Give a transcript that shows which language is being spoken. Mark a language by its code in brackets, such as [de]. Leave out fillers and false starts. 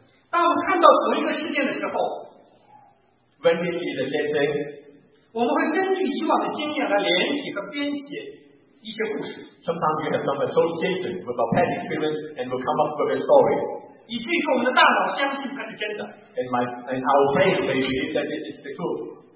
[zh] 当我们看到同一个事件的时候 [en] ，when we see the same thing, [zh] 我们会根据以往的经验来联系和编写一些故事。 [en] Sometimes we have some association with our past experience and we'll come up with a story. [zh] 以至于说我们的大脑相信它是真的。 [en] And our brain may believe that this is the truth.